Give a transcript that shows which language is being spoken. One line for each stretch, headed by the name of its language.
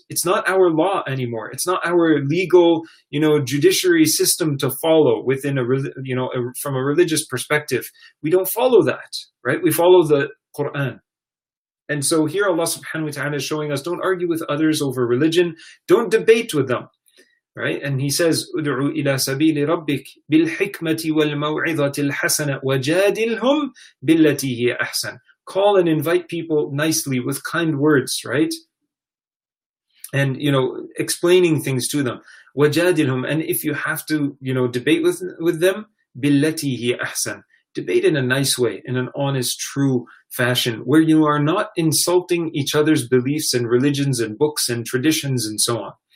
English: It's not our law anymore. It's not our legal, you know, judiciary system to follow within from a religious perspective. We don't follow that, right? We follow the Quran. And so here Allah subhanahu wa ta'ala is showing us, don't argue with others over religion. Don't debate with them. Right?
Arabic: And he says, ادعوا إلى سبيل ربك بالحكمة والموعظة الحسنة وجادلهم بالتي هي أحسن.
English: Call and invite people nicely with kind words, right? And, you know, explaining things to them.
Arabic: وجادلهم.
English: And if you have to, you know, debate with them,
Arabic: بالتي هي أحسن.
English: Debate in a nice way, in an honest, true fashion, where you are not insulting each other's beliefs and religions and books and traditions and so on.